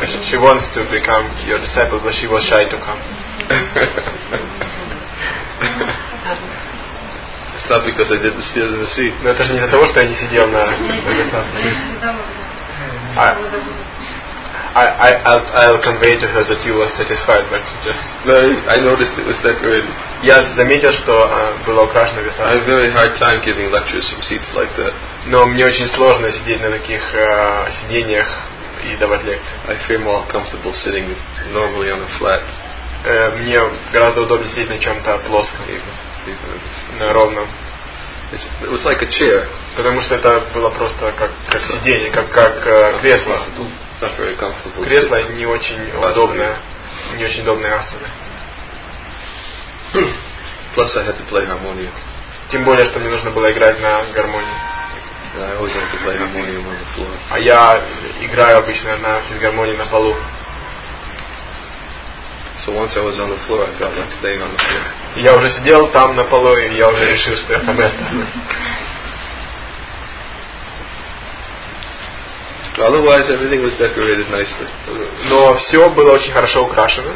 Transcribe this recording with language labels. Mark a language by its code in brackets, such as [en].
[en] She wants to become your disciple, but she was shy to come. It's not because I didn't sit in the seat. [ru] Но это же не из-за того, что я не сидел на дистанции. [en] I'll convey to her that you were satisfied, but just. No, I noticed it was decorated. [ru] Я заметил, что было украшено веса. [en] I have a very hard time giving lectures from seats like that. [ru] Но мне очень сложно сидеть на таких сиденьях и давать лекции. [en] I feel more comfortable sitting normally on a flat. [ru] Мне гораздо удобнее сидеть на чем-то плоском. На ровном. [en] It was like a chair. [ru] Потому что это было просто как сиденье, как кресло. [en] Not very comfortable. [ru] Кресло не очень удобное, не очень удобные асаны. [en] Plus I had to play harmonia. [ru] Тем более, что мне нужно было играть на гармонии. [en] Yeah, I always had to play harmonia on the floor. [ru] А я играю обычно на физгармонии на полу. [en] So once I was on the floor, I felt like staying on the floor. [ru] Я уже сидел там на полу, и я уже решил, что я там и останусь. [en] Otherwise, everything was decorated nicely. [ru] Но все было очень хорошо украшено.